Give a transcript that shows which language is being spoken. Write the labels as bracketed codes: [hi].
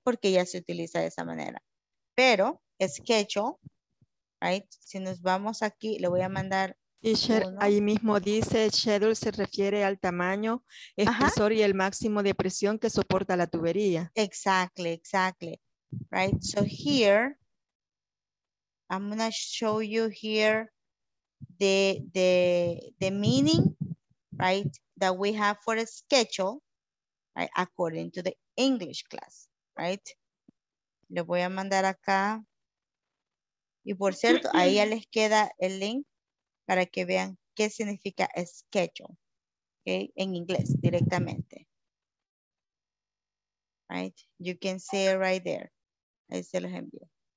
[es] Porque ya se utiliza de esa manera. Pero, schedule, right? Si nos vamos aquí, le voy a mandar. Teacher, ahí mismo dice, schedule se refiere al tamaño, espesor y el máximo de presión que soporta la tubería. [en] Exactly, exactly. Right, so here, I'm going to show you here the meaning, right, that we have for a schedule, right, according to the English class, right? [es] Le voy a mandar acá. Y por cierto, ahí ya les queda el link para que vean qué significa schedule, okay, en inglés directamente. [en] Right, you can see it right there. [es] Ahí se los envío.